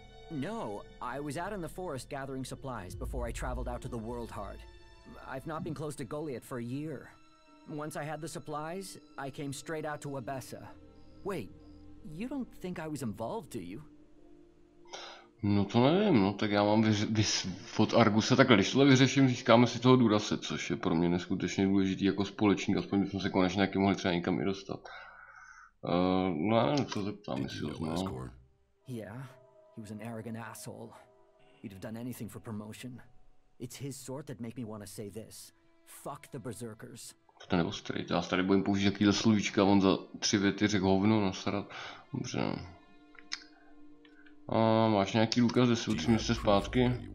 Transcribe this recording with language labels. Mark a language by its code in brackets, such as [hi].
[en] No, I was out in the forest gathering supplies before I traveled out to the World Heart. I've not been close to Goliath for a year. Once I had the supplies, I came straight out to Abessa. Wait, you don't think I was involved, do you? [cs] No to nevím, no tak já mám od Argusa. Takhle, když tohle vyřeším, získáme si toho Durase, což je pro mě neskutečně důležitý jako společník, aspoň bychom se konečně nějaký mohli třeba někam i dostat. No já nevím, co se ptám, jestli ho znal. [en] Yeah, he was an arrogant asshole. He'd have done anything for promotion. It's his sort that make me want to say this. Fuck the berserkers. [cs] To nebo straight. Já se tady bojím použít jakýhle slovíčka, on za tři věty řekl hovno, nasrat. Dobře. A máš nějaký důkaz, že jsi tři měsíce zpátky?